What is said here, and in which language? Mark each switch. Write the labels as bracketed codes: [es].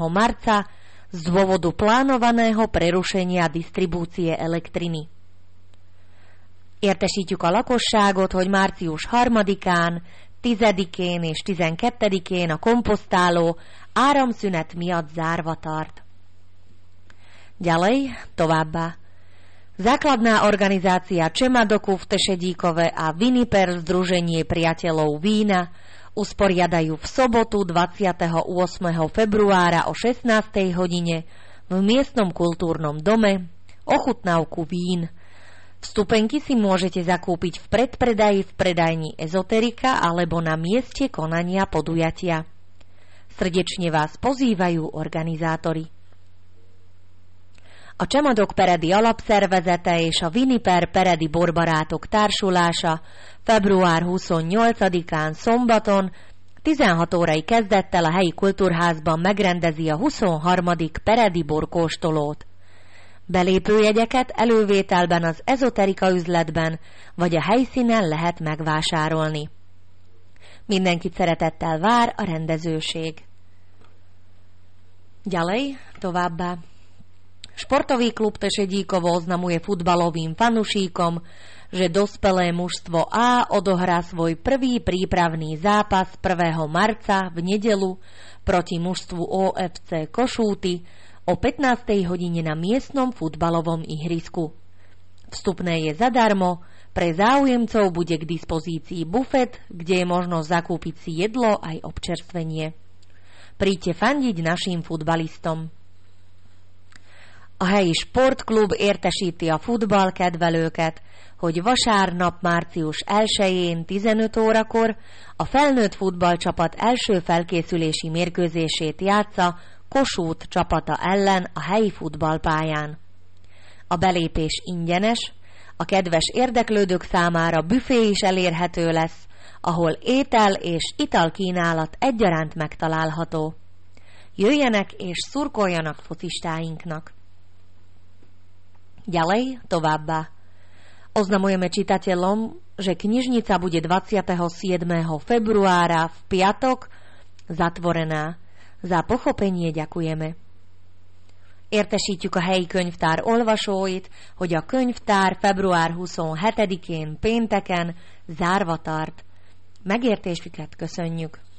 [sk] marca z dôvodu plánovaného prerušenia distribúcie elektriny. [hu] Értesítjük a lakosságot, hogy március 3-án, 10-én és 12-én a komposztáló áramszünet miatt zárva tart. [sk] Ďalej, [hu] továbbá. [sk] Základná organizácia Čemadoku v Tešedíkove a Viniper Združenie priateľov vína usporiadajú v sobotu 28. februára o 16. hodine v miestnom kultúrnom dome ochutnávku vín. Vstupenky si môžete zakúpiť v predpredaji v predajni Ezoterika alebo na mieste konania podujatia. Srdečne vás pozývajú organizátori. [hu] A Csemadok Peredi alapszervezete és a Viniper Peredi Borbarátok társulása február 28-án szombaton 16 órai kezdettel a helyi kultúrházban megrendezi a 23. Peredi borkóstolót. Belépőjegyeket elővételben az Ezoterika üzletben vagy a helyszínen lehet megvásárolni. Mindenkit szeretettel vár a rendezőség. [sk] Ďalej, [hu] továbbá. [sk] Športový klub Tešedíkovo oznamuje futbalovým fanušíkom, že dospelé mužstvo A odohrá svoj prvý prípravný zápas 1. marca v nedeľu proti mužstvu OFC Košúty o 15. hodine na miestnom futbalovom ihrisku. Vstupné je zadarmo, pre záujemcov bude k dispozícii bufet, kde je možno zakúpiť si jedlo aj občerstvenie. Príďte fandiť našim futbalistom. [hu] A helyi sportklub értesíti a futballkedvelőket, hogy vasárnap március 1-én 15 órakor a felnőtt futballcsapat első felkészülési mérkőzését játssza Kossuth csapata ellen a helyi futballpályán. A belépés ingyenes, a kedves érdeklődők számára büfé is elérhető lesz, ahol étel és italkínálat egyaránt megtalálható. Jöjjenek és szurkoljanak focistáinknak! [sk] Ďalej, [hu] továbbá. [sk] Oznamujeme čitateľom, že knižnica bude 27. februára v piatok zatvorená. Za pochopenie ďakujeme. [hu] Értesítjük a helyi könyvtár olvasóit, hogy a könyvtár február 27-én pénteken zárva tart. Megértésüket köszönjük.